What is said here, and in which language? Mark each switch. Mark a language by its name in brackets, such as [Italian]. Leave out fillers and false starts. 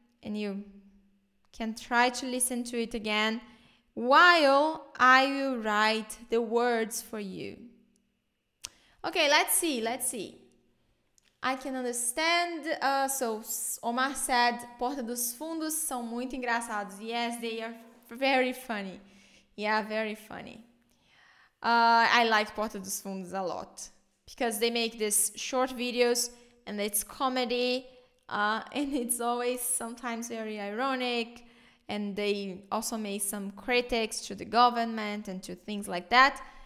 [English] And you can try to listen to it again while I will write the words for you. Okay, let's see. I can understand. So Omar said, Porta dos Fundos [Portuguese] são muito engraçados. [English] Yes, they are very funny. Yeah, very funny. I like Porta dos Fundos a lot because they make these short videos and it's comedy and it's always sometimes very ironic. And they also made some critics to the government and to things like that.